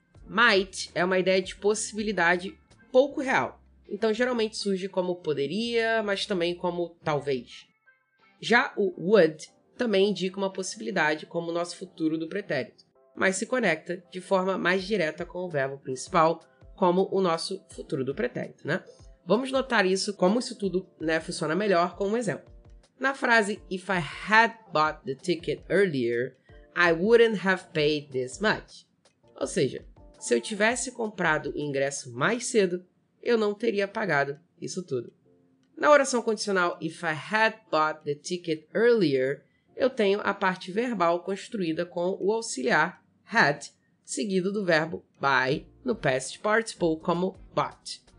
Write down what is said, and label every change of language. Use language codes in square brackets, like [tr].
[pt] Might é uma ideia de possibilidade pouco real, então geralmente surge como poderia, mas também como talvez. Já o would também indica uma possibilidade como o nosso futuro do pretérito, mas se conecta de forma mais direta com o verbo principal, como o nosso futuro do pretérito, né? Vamos notar isso, como isso tudo, né, funciona melhor, com um exemplo. Na frase [en] If I had bought the ticket earlier, I wouldn't have paid this much. [pt] Ou seja, se eu tivesse comprado o ingresso mais cedo, eu não teria pagado isso tudo. Na oração condicional [en] If I had bought the ticket earlier, [pt] eu tenho a parte verbal construída com o auxiliar had, seguido do verbo buy no past participle como bought.